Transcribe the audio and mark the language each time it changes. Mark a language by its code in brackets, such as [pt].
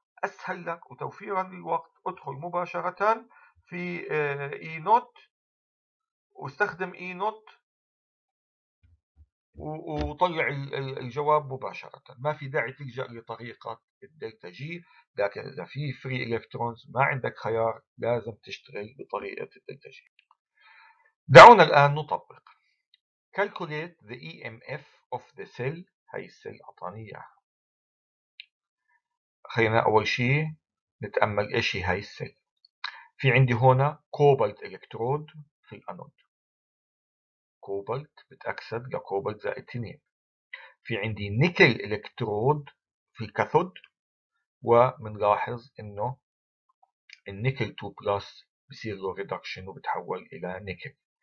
[ar] أسهل لك وتوفيرا للوقت أدخل مباشرة في إي نوت واستخدم إي نوت وطلع الجواب مباشرة، ما في داعي تلجأ لطريقة الدلتا جي، لكن إذا في فري إلكترونز ما عندك خيار، لازم تشتغل بطريقة الدلتا جي. دعونا الآن نطبق. [en] Calculate the EMF of the cell. [ar] هاي السيل أعطاني إياها. خلينا أول شيء نتأمل إيش هي هاي السيل. في عندي هنا كوبالت إلكترود في الأنود. كوبالت بتأكسد لكوبالت زائد تنين. في عندي نيكل إلكترود في الكاثود، ومنلاحظ إنه النيكل 2 بلس بيصير له ريدكشن وبتحول إلى نيكل.